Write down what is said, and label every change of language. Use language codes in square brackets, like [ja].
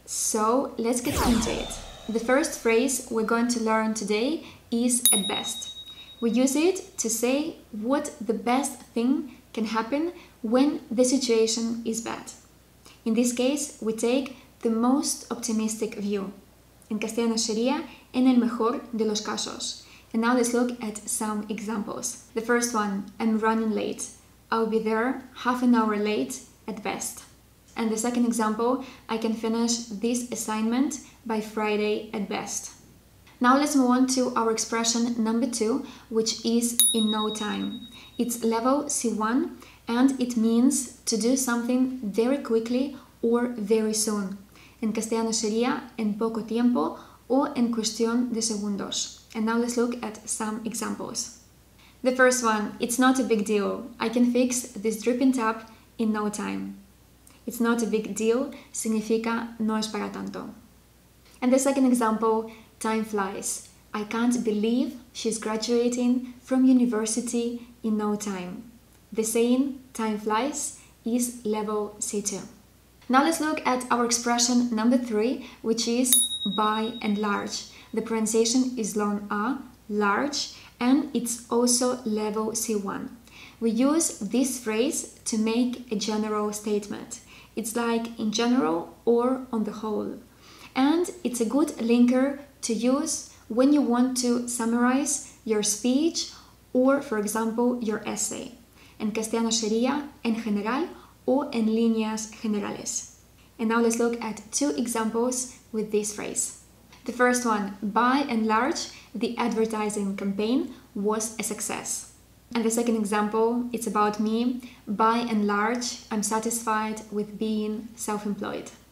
[en] So let's get into it. The first phrase we're going to learn today is at best. We use it to say what the best thing can happen when the situation is bad. In this case, we take the most optimistic view. [es] En castellano sería en el mejor de los casos. [en] And now let's look at some examples. The first one, I'm running late. I'll be there 30 minutes late at best. And the second example, I can finish this assignment by Friday at best. Now let's move on to our expression number 2, which is in no time. It's level C1 and it means to do something very quickly or very soon. [es] En castellano sería en poco tiempo o en cuestión de segundos. [en] And now let's look at some examples. The first one, it's not a big deal. I can fix this dripping tap in no time. It's not a big deal [es] significa no es para tanto. [en] And the second example, time flies. I can't believe she's graduating from university in no time. The saying, time flies, is level C2. Now let's look at our expression number 3, which is by and large. The pronunciation is long A, large, and it's also level C1. We use this phrase to make a general statement. It's like in general or on the whole. And it's a good linker to use when you want to summarize your speech or, for example, your essay. [es] En castellano sería en general o en líneas generales. [en] And now let's look at 2 examples with this phrase. The first one, by and large, the advertising campaign was a success. And the second example, it's about me. By and large, I'm satisfied with being self-employed.